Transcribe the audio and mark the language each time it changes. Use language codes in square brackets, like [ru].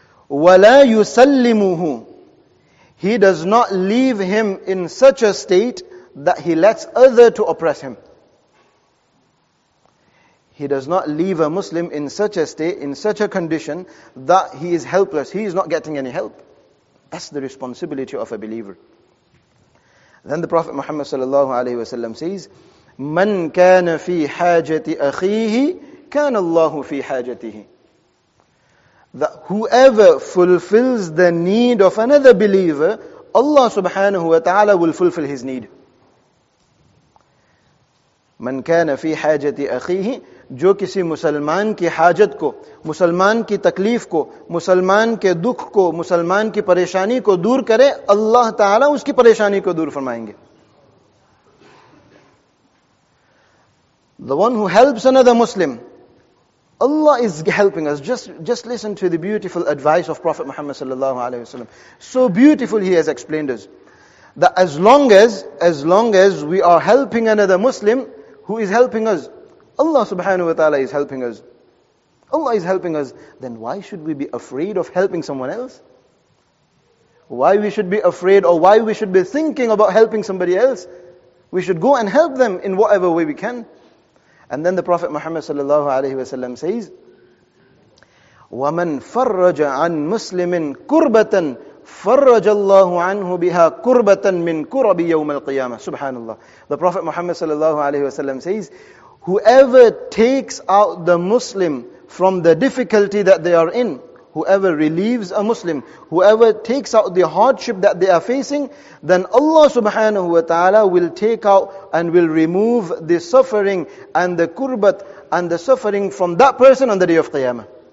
[ar] وَلَا يُسَلِّمُهُ, [en] he does not leave him in such a state that he lets other to oppress him. He does not leave a Muslim in such a state, in such a condition, that he is helpless. He is not getting any help. That's the responsibility of a believer. Then the Prophet Muhammad sallallahu alaihi wasallam says, [ar] مَنْ كَانَ فِي حَاجَةِ أَخِيهِ كَانَ اللَّهُ فِي حَاجَتِهِ. [en] That whoever fulfills the need of another believer, Allah subhanahu wa ta'ala will fulfill his need. [ar] مَنْ كَانَ فِي حَاجَةِ أَخِيهِ, [ur] جو کسی مسلمان کی حاجت کو, مسلمان کی تکلیف کو, مسلمان کے دکھ کو, مسلمان کی پریشانی کو دور کرے, اللہ تعالیٰ اس کی پریشانی کو دور فرمائیں گے. [en] The one who helps another Muslim, Allah is helping us. Just listen to the beautiful advice of Prophet Muhammad sallallahu alaihi wasallam. So beautiful, he has explained us that as long as we are helping another Muslim, who is helping us? Allah subhanahu wa ta'ala is helping us. Allah is helping us. Then why should we be afraid of helping someone else? Why we should be afraid, or why we should be thinking about helping somebody else? We should go and help them in whatever way we can. And then the Prophet Muhammad sallallahu alaihi wasallam says, [ar] وَمَنْ فَرَّجَ عَنْ مُسْلِمٍ كُرْبَةً فَرَّجَ اللَّهُ عَنْهُ بِهَا كُرْبَةً مِنْ كُرَبِ يَوْمَ الْقِيَامَةِ. [en] Subhanallah. The Prophet Muhammad sallallahu alaihi wasallam says, whoever takes out the Muslim from the difficulty that they are in, whoever relieves a Muslim, whoever takes out the hardship that they are facing, then Allah subhanahu wa ta'ala will take out and will remove the suffering and the kurbat and the suffering from that person on the day of Qiyamah.